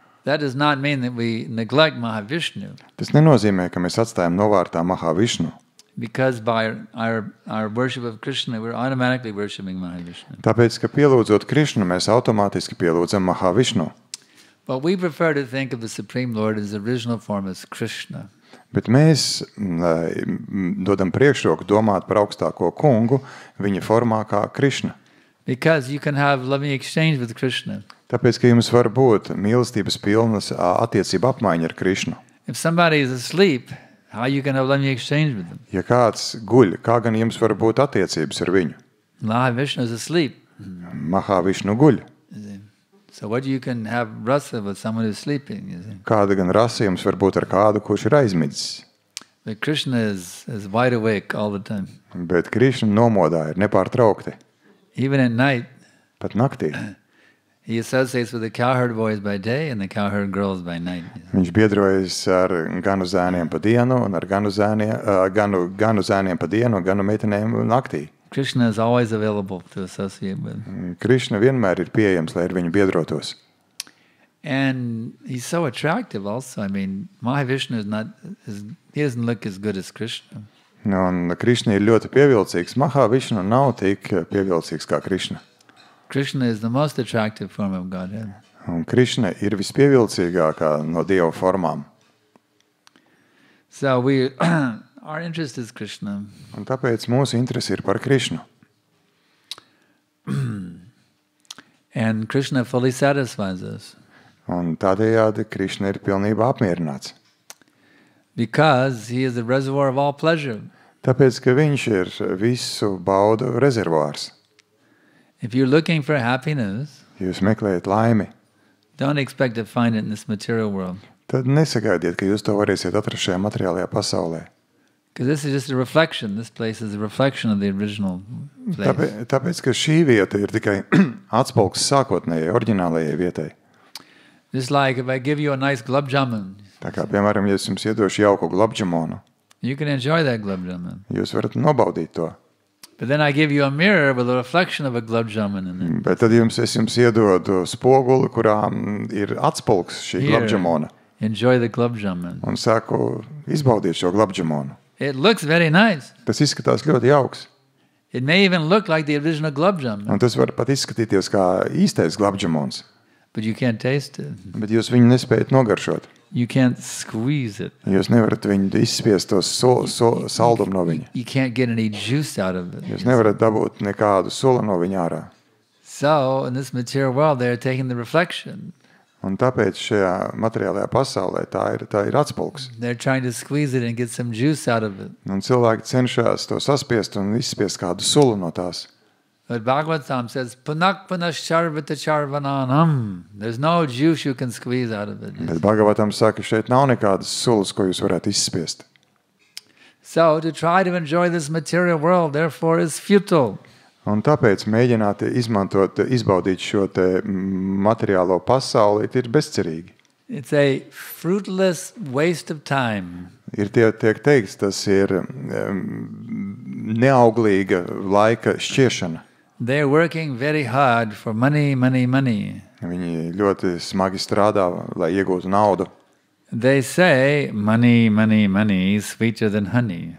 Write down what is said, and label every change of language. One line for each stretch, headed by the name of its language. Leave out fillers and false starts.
English: That does not mean that we neglect Mahavishnu.
Latvian: Tas nenozīmē, ka mēs atstājam novārtā Mahavishnu.
English: Because by our worship of Krishna, we're automatically worshiping Mahavishnu.
Latvian: Tāpēc, ka pielūdzot Krishnu, mēs automātiski pielūdzam Mahavishnu.
English: But we prefer to think of the Supreme Lord in his original form as Krishna.
Latvian: Bet mēs dodam priekšroku domāt par augstāko kungu viņa formā kā Krishna.
English: Because you can have loving exchange with Krishna.
Latvian: Tāpēc, ka jums var būt mīlestības pilnas attiecība apmaiņa ar Krishnu.
English: If somebody is asleep, how you can have loving exchange with them?
Latvian: Ja kāds guļ, kā gan jums var būt attiecības ar viņu?
English: Mahavishnu is asleep.
Latvian: Mahavishnu guļ.
English: So what you can have rasa with someone who is sleeping, you see?
Latvian: Kāda gan rasa jums var būt ar kādu, kurš ir aizmidzis?
English: But Krishna is wide awake all the time.
Latvian: Bet Krishna nomodā ir nepārtraukti.
English: Even at night.
Latvian: Pat naktī.
English: He associates with the cowherd boys by day and the cowherd girls by night.
Latvian: Viņš biedrojas ar ganu zēniem pa dienu un ar ganu zēniem pa dienu un ganu meitenēm naktī.
English: Krishna is always available to associate with.
Latvian: Krishna vienmēr ir pieejams, lai ar viņu biedrotos.
English: And he's so attractive also. I mean, Mahavishnu he doesn't look as good as Krishna.
Latvian: Un Krishna ir ļoti pievilcīgs. Mahavishnu nav tik pievilcīgs kā Krishna.
English: Krishna is the most attractive form of Godhead.
Latvian: Un Krishna ir vispievilcīgākā no Dieva formām.
English: So we our interest is Krishna.
Latvian: Un tāpēc mūsu interese ir par Krishnu.
English: And Krishna fully satisfies us.
Latvian: Un tādējādi Krishna ir pilnībā apmierināts.
English: Because he is the reservoir of all pleasure.
Latvian: Tāpēc, ka viņš ir visu baudu rezervuārs.
English: If you're looking for happiness,
Latvian: jūs meklējat laimi,
English: don't expect to find it in this material world.
Latvian: Tad nesagaidiet, ka jūs to varēsiet atrast šajā materiālajā pasaulē.
English: Because this is just a reflection. This place is a reflection of the original place.
Latvian: Tāpēc, ka šī vieta ir tikai atspulks sākotnējai, oriģinālajai vietai.
English: Just like if I give you a nice glob jamun.
Latvian: Tā kā, piemēram, ja es jums iedošu jauku glob jamonu.
English: You can enjoy that glob jamun.
Latvian: Jūs varat nobaudīt to.
English: But then I give you a mirror with a reflection of a glob jamun in it.
Latvian: Bet tad es jums iedodu spoguli, kurā ir atspulks šī glob jamona.
English: Enjoy the glob jamun.
Latvian: Un saku, izbaudiet šo glob jamonu.
English: It looks very nice.
Latvian: Tas izskatās ļoti jauks.
English: It may even look like the original glob jamun.
Latvian: Un tas var pat izskatīties kā īstais glob jamons.
English: But you can't taste it.
Latvian: Bet jūs viņu nespējat nogaršot.
English: You can't squeeze it.
Latvian: Jūs nevarat viņu izspiest to saldumu no viņa.
English: You can't get any juice out of it.
Latvian: Jūs nevarat dabūt nekādu sulu no viņa ārā.
English: So, in this material world, they are taking the reflection.
Latvian: Un tāpēc šajā materiālajā pasaulē tā ir atspulks.
English: They're trying to squeeze it and get some juice out of it.
Latvian: Un cilvēki cenšas to saspiest un izspiest kādu sulu no tās.
English: But Bhāgavatam says,
Sanskrit: punak punas charvata charvanānam.
English: There's no juice you can squeeze out of it.
Latvian: Bet Bhāgavatam saka, šeit nav nekādas sulas, ko jūs varētu izspiest.
English: So, to try to enjoy this material world, therefore, is futile.
Latvian: Un tāpēc mēģināt izbaudīt šo te materiālo pasauli ir bezcerīgi.
English: It's a fruitless waste of time.
Latvian: Ir tiek teikts, tas ir neauglīga laika šķiešana.
English: They're working very hard for money, money, money.
Latvian: Viņi ļoti smagi strādā, lai iegūtu naudu.
English: They say, money, money, money is sweeter than honey.